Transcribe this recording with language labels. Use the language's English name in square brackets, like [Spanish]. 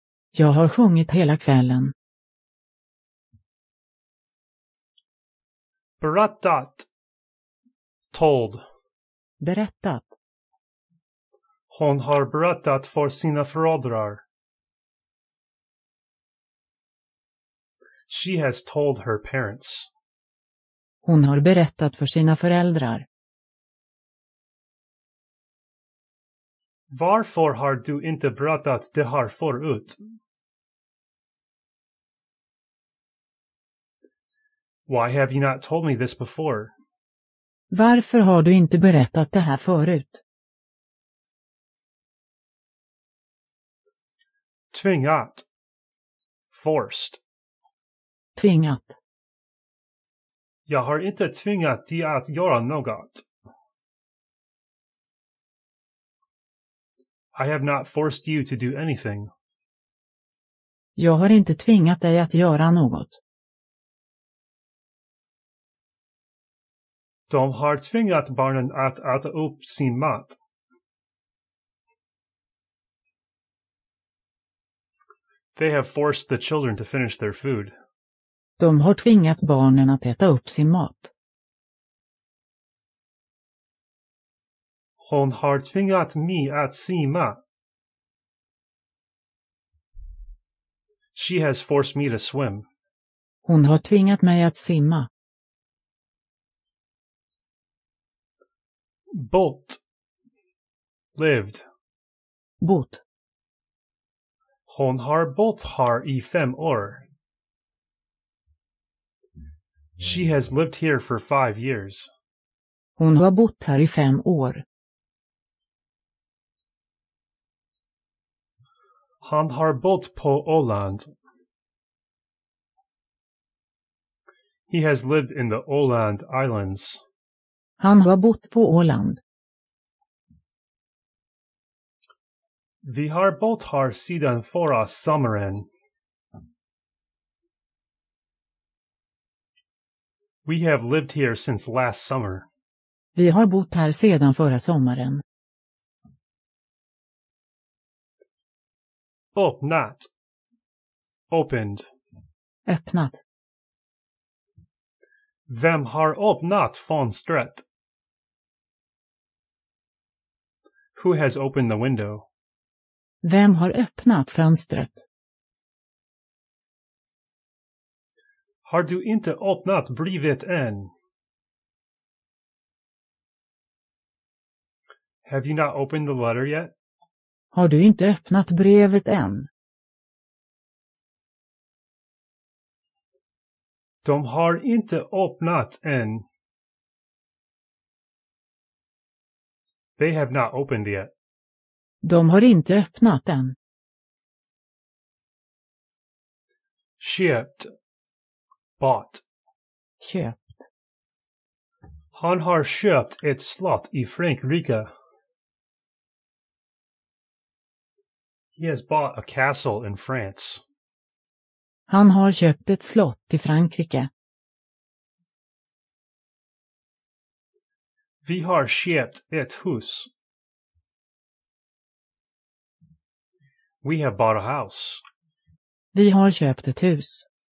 [Swedish] Jag har sjungit hela kvällen. Berättat. [English] Told. [Swedish] Berättat. Hon har berättat för sina föräldrar. [English] She has told her parents. [Swedish] Hon har berättat för sina föräldrar. Varför har du inte berättat det här förut? [English] Why have you not told me this before? [Swedish] Varför har du inte berättat det här förut? Tvingat. [English] Forced. [Swedish] Tvingat. Jag har inte tvingat dig att göra något. [English] I have not forced you to do anything. [Swedish] Jag har inte tvingat dig att göra något. De har tvingat barnen att äta upp sin mat. [English] They have forced the children to finish their food. [Swedish] De har tvingat barnen att äta upp sin mat. Hon har tvingat mig att simma. [English] She has forced me to swim. [Swedish] Hon har tvingat mig att simma. Bott. [English] Lived. [Swedish] Bott. Hon har bott här i 5 år. [English] She has lived here for 5 years. [Swedish] Hon har bott här i 5 år. Han har bott på Åland. [English] He has lived in the Åland Islands. [Swedish] Han har bott på Åland. Vi har bott här sedan förra sommaren. [English] We have lived here since last summer. [Swedish] Vi har bott här sedan förra sommaren. Öppnat. [English] Opened. [Swedish] Öppnat. Vem har öppnat fönstret? [English] Who has opened the window? [Swedish] Vem har öppnat fönstret? Har du inte öppnat brevet än? [English] Have you not opened the letter yet? [Swedish] Har du inte öppnat brevet än? De har inte öppnat än. [English] They have not opened yet. [Swedish] De har inte öppnat än. [English] Shipped. Bought. [Swedish] Köpt. Han har köpt ett slott i Frankrike. [English] He has bought a castle in France. [Swedish] Han har köpt ett slott i Frankrike. Vi har köpt ett hus. [English] We have bought a house. [Swedish] Vi har köpt ett hus.